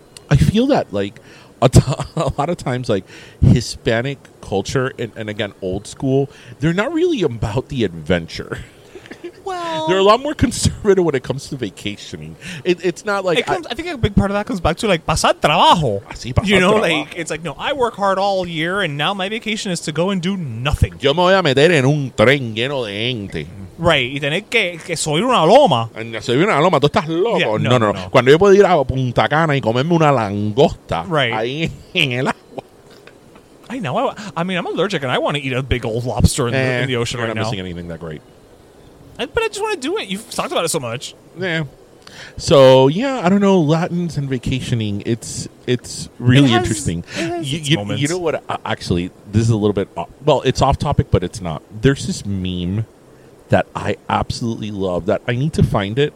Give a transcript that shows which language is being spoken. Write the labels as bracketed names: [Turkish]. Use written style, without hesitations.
[English] I feel that like a lot of times, like Hispanic culture and again old school, they're not really about the adventure. Well, they're a lot more conservative when it comes to vacationing. It's not like I think a big part of that comes back to like [Spanish] pasar trabajo. [English] Like it's like, no, I work hard all year, and now my vacation is to go and do nothing. [Spanish] Yo me voy a meter en un tren lleno de gente. [English] Right, [Spanish] y tener que subir una loma. Subir una loma, tú estás loco. [English] Yeah, no. [Spanish] Cuando yo puedo ir a Punta Cana y comerme una langosta, ahí en el agua. [English] I know. I mean, I'm allergic, and I want to eat a big old lobster in the ocean right now. I'm not missing anything that great. But I just want to do it. You've talked about it so much. Yeah. So, yeah, I don't know. Latins and vacationing, it's really interesting. You know what? Actually, this is a little bit it's off topic, but it's not. There's this meme that I absolutely love that I need to find it.